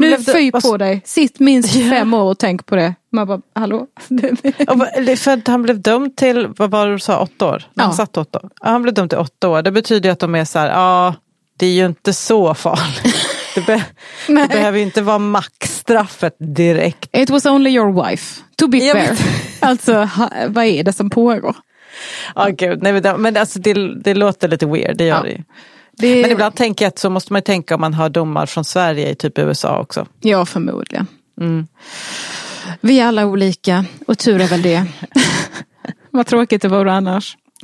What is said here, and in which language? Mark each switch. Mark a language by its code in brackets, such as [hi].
[sv] Nu fy på dig. Sitt minst 5 år och tänk på det. Man bara, hallå? För han blev dömd till, vad var det du sa, 8 år? Ja. Han satt 8 år. Han blev dömd till 8 år. Det betyder ju att de är så här, ja, det är ju inte så farligt. Det behöver ju inte vara maxstraffet direkt. [en] It was only your wife, to be fair. [sv] Alltså, vad är det som pågår? Oh, gud. Nej, men alltså, det låter lite weird, det gör det ju. Det... Men ibland tänker jag att så måste man ju tänka om man har domar från Sverige i typ USA också. Ja, förmodligen. Mm. Vi är alla olika, och tur är väl det. Vad tråkigt det vore annars.